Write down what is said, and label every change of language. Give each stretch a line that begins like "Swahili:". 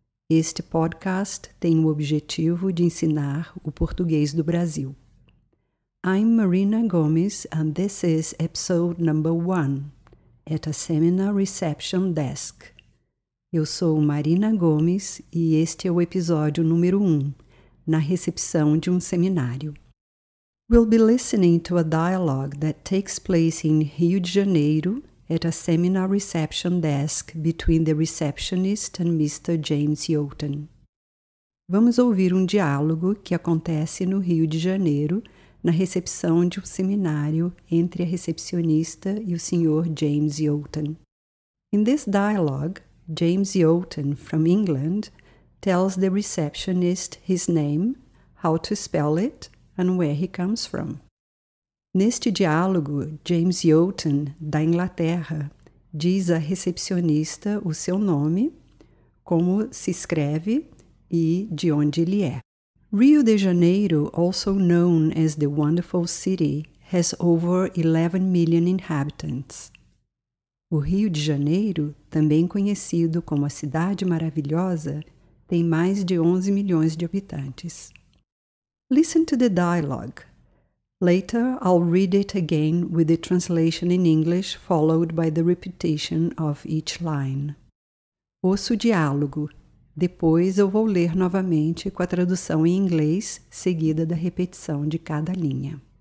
Portuguese: Este podcast tem o objetivo de ensinar o português do Brasil.
English: I'm Marina Gomes and this is episode number 1 at a seminar reception desk.
Portuguese: Eu sou Marina Gomes e este é o episódio número 1, na recepção de seminário.
English: We'll be listening to a dialogue that takes place in Rio de Janeiro at a seminar reception desk between the receptionist and Mr. James Yotan.
Portuguese: Vamos ouvir diálogo que acontece no Rio de Janeiro na recepção de seminário entre a recepcionista e o Sr. James Yotan.
English: In this dialogue, James Yotan from England tells the receptionist his name, how to spell it, and where he comes from.
Portuguese: Neste diálogo, James Yotan, da Inglaterra, diz à recepcionista o seu nome, como se escreve e de onde ele é.
English: Rio de Janeiro, also known as the Wonderful City, has over 11 million inhabitants.
Portuguese: O Rio de Janeiro, também conhecido como a Cidade Maravilhosa, tem mais de 11 milhões de habitantes.
English: Listen to the dialogue. Later, I'll read it again with the translation in English, followed by the repetition of each line.
Portuguese: Ouço o diálogo. Depois eu vou ler novamente com a tradução em inglês, seguida da repetição de cada linha.